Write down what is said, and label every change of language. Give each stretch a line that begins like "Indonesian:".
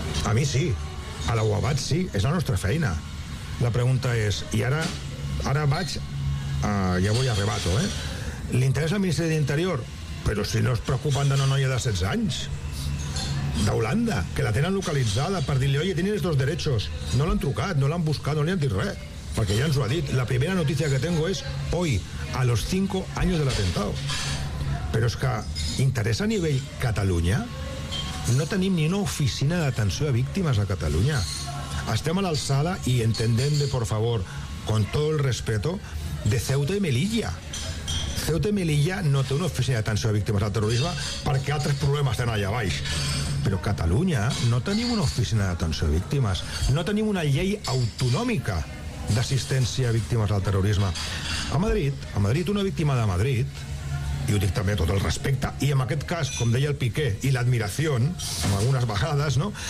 Catalan: A mi sí. A l'UABAT sí, és la nostra feina. La pregunta és, i ara vaig, ja vull arrebato, eh? Li interessa al Ministeri d'Interior? Però si no es preocupen d'una noia de 16 anys, d'Holanda, que la tenen localitzada per dir-li,
Spanish: oye, tienes dos derechos.
Catalan: No l'han trucat, no l'han buscat, no li han dit res, perquè ja ens ho ha dit.
Spanish: La primera notícia que tengo és, hoy, a los 5 años del atentado.
Catalan: Però és que interessa a nivell Catalunya? No tenim ni una oficina d'atenció a víctimes a Catalunya. Estem a l'alçada i entendem de,
Spanish: por favor, con todo el respeto,
Catalan: de Ceuta i Melilla. Ceuta i Melilla no té una oficina d'atenció a víctimes del terrorisme perquè altres problemes tenen allà baix. Però Catalunya no tenim una oficina d'atenció a víctimes. No tenim una llei autonòmica d'assistència a víctimes del terrorisme. A Madrid, una víctima de Madrid, i ho dic també a tot el respecte, i en aquest cas, com deia el Piqué, i l'admiració, en algunes vegades, no?